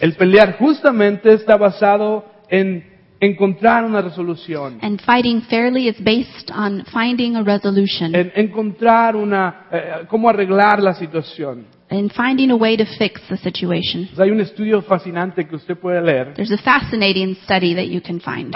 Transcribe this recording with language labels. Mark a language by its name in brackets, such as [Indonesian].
[Spanish] El pelear justamente está basado en encontrar una resolución. [English] And fighting fairly is based on finding a resolution. [Spanish] En encontrar una cómo arreglar la situación. [English] In finding a way to fix the situation. [Spanish] Hay un estudio fascinante que usted puede leer. [English] There's a fascinating study that you can find.